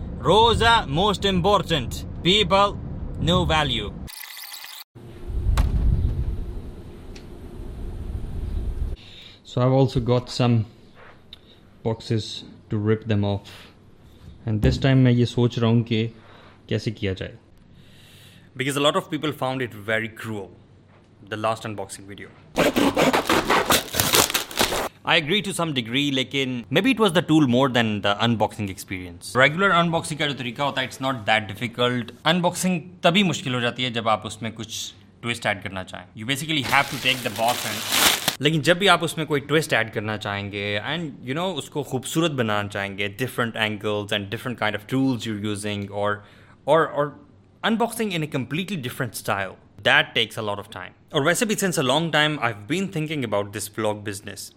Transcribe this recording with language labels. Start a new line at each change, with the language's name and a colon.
English: روزہ most important, people no value. So I've also got some boxes to rip them off. And this time
Urdu: میں یہ سوچ رہا ہوں کہ کیسے کیا جائے.
English: Because a lot of people found it very cruel, the last unboxing video. I agree to some degree, لیکن maybe it was the tool more than the unboxing experience. Regular unboxing
Urdu: کا جو طریقہ ہوتا ہے
English: it's not that difficult.
Urdu: Unboxing تبھی مشکل ہو جاتی ہے جب آپ اس میں کچھ twist add کرنا چاہیں.
English: You basically have to take the box and...
Urdu: لیکن جب بھی آپ اس میں کوئی ٹوسٹ ایڈ کرنا چاہیں گے
English: and you know
Urdu: اس کو خوبصورت بنانا چاہیں گے،
English: Different angles and different kind of tools you using اور unboxing in a completely different style, that takes a lot of time.
Urdu: اور ویسے بھی
English: Since a long time I have been thinking about this blog business.